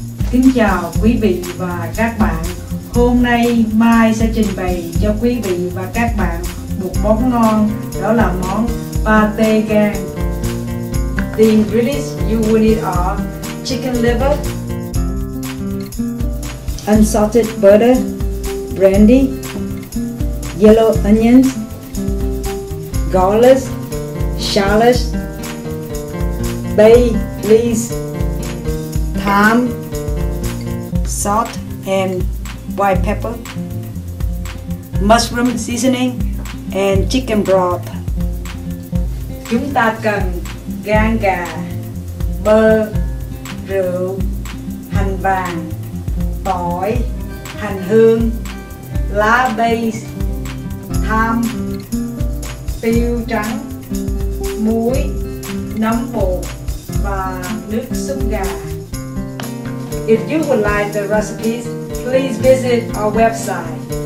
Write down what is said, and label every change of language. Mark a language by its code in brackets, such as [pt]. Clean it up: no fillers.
[vi] Kính chào quý vị và các bạn. Hôm nay Mai sẽ trình bày cho quý vị và các bạn một món ngon, đó là món pate gan. [en] The ingredients you will need are chicken liver, unsalted butter, brandy, yellow onions, garlic, shallots, bay leaves, thyme, salt and white pepper, mushroom seasoning and chicken broth. [vi] Chúng ta cần gan gà, bơ, rượu, hành vàng, tỏi, hành hương, lá bay, thyme, tiêu trắng, muối, nấm bột và nước súp gà. [en] If you would like the recipes, please visit our website.